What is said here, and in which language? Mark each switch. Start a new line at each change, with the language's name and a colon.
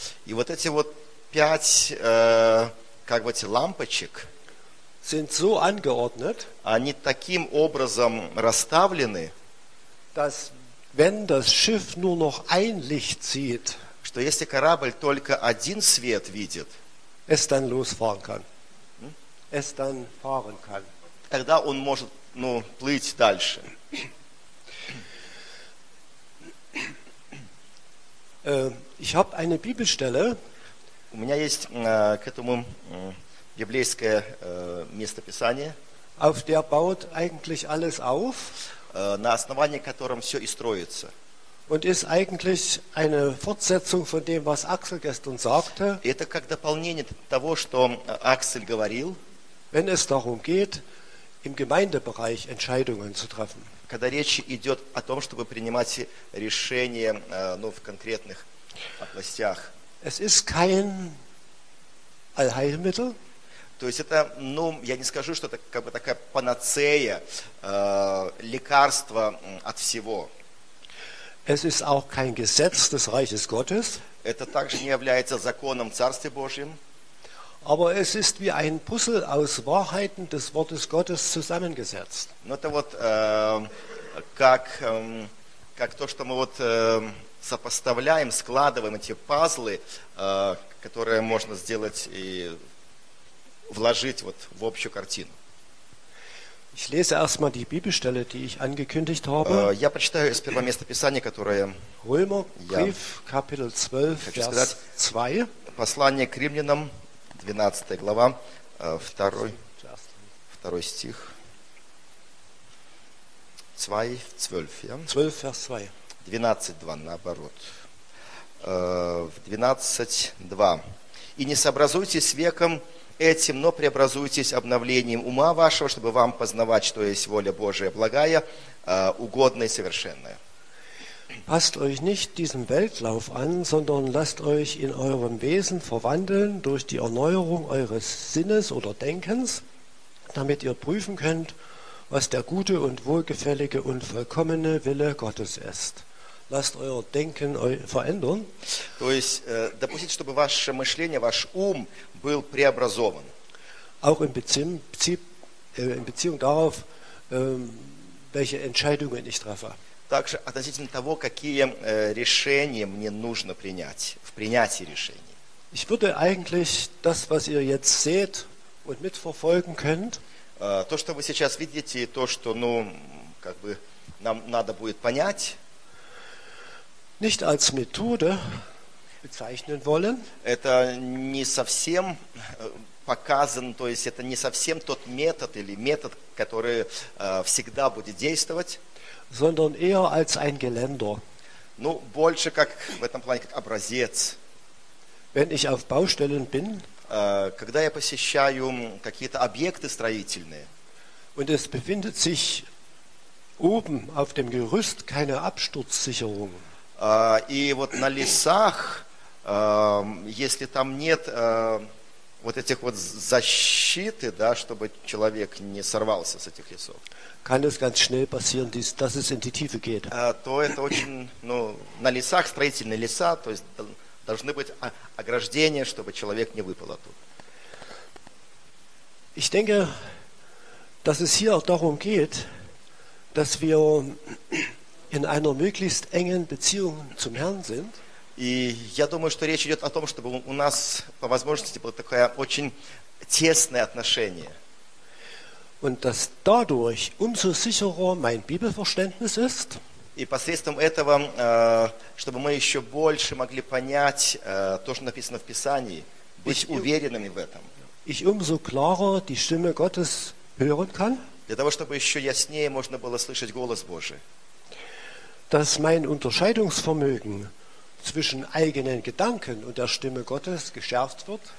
Russian: и вот эти вот 5 как бы эти лампочек,
German: sind so angeordnet,
Russian: они таким образом расставлены,
German: dass wenn das Schiff nur noch ein Licht sieht,
Russian: что если корабль только один свет видит,
German: es dann losfahren kann. Es dann fahren kann.
Russian: Тогда он может, ну, плыть дальше.
German: Ich habe eine Bibelstelle.
Russian: У меня есть к этому библейское местописание.
German: Auf der baut eigentlich alles auf.
Russian: На основании которого все и строится.
German: Und ist eigentlich eine Fortsetzung von dem, was Axel gestern sagte.
Russian: Это как дополнение того, что Axel говорил.
German: Wenn es darum geht, im Gemeindebereich Entscheidungen zu treffen.
Russian: Когда речь идет о том, чтобы принимать решения, ну, в конкретных областях.
German: Es ist kein Allheilmittel.
Russian: То есть это, ну, я не скажу, что это как бы такая панацея, лекарство от всего.
German: Es ist auch kein Gesetz des Reiches Gottes.
Russian: Это также не является законом Царствия Божьим.
German: Aber es ist wie ein Puzzle aus Wahrheiten des Wortes Gottes zusammengesetzt.
Russian: Ну, это вот как то, что мы вот сопоставляем, складываем эти пазлы, которые можно сделать и вложить вот в общую картину.
German: Ich lese erstmal die Bibelstelle, die ich angekündigt habe.
Russian: Я прочитаю сперва местописание, которое
German: Römer, Brief, Kapitel 12, Vers 2.
Russian: Послание к Римлянам, 12 глава, 2 стих. 12, наоборот. В 12:2. И не сообразуйтесь с веком этим, но преобразуйтесь обновлением ума вашего, чтобы вам познавать, что есть воля Божия благая, угодная и совершенная.
German: Passt euch nicht diesem Weltlauf an, sondern lasst euch in eurem Wesen verwandeln durch die Erneuerung eures Sinnes oder Denkens, damit ihr prüfen könnt, was der gute und wohlgefällige und vollkommene Wille Gottes ist. Lasst euer Denken verändern.
Russian: То есть, допустить, чтобы ваше мышление, ваш ум был преобразован.
German: Auch in Beziehung darauf, welche Entscheidungen ich treffe.
Russian: Также относительно того, какие решения мне нужно принять, в принятии решений.
German: Ich würde eigentlich das, was ihr jetzt seht und mitverfolgen könnt,
Russian: то, что вы сейчас видите, то, что, ну, как бы нам надо будет понять,
German: nicht als Methode bezeichnen wollen.
Russian: Это не совсем показан, то есть это не совсем тот метод или метод, который всегда будет действовать,
German: sondern eher als ein Geländer.
Russian: Ну, больше как в этом плане как образец.
German: Wenn ich auf Baustellen bin,
Russian: когда я посещаю какие-то объекты строительные,
German: und es befindet sich oben auf dem Gerüst keine Absturzsicherung.
Russian: И вот на лесах, если там нет вот этих вот защиты, да, чтобы человек не сорвался с этих лесов,
German: kann es ganz schnell passieren, dass es in die Tiefe geht.
Russian: То это очень, ну, на лесах, строительные леса, то есть должны быть ограждения, чтобы человек не выпал оттуда.
German: Ich denke, dass es hier auch darum geht, dass wir in einer möglichst engen Beziehung zum Herrn sind.
Russian: И я думаю, что речь идет о том, чтобы у нас по возможности было такое очень тесное отношение.
German: Und dass dadurch umso sicherer mein Bibelverständnis ist.
Russian: И посредством этого, чтобы мы еще больше могли понять то, что написано в Писании, быть уверенными в этом.
German: Ich umso klarer die Stimme Gottes hören kann.
Russian: Для того, чтобы еще яснее можно было слышать голос Божий.
German: Dass mein Unterscheidungsvermögen zwischen eigenen Gedanken und der Stimme Gottes geschärft wird.